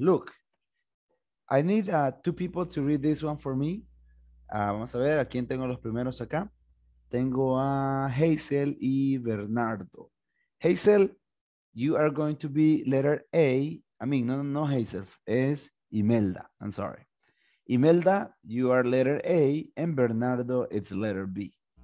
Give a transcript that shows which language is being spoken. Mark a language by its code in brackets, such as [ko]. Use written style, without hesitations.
[en] Look, I need two people to read this one for me. [es] Vamos a ver a quién tengo los primeros acá. Tengo a Hazel y Bernardo. [en] Hazel, you are going to be letter A. I mean, [es] no Hazel, es Imelda. [en] I'm sorry. Imelda, you are letter A, and Bernardo, it's letter B.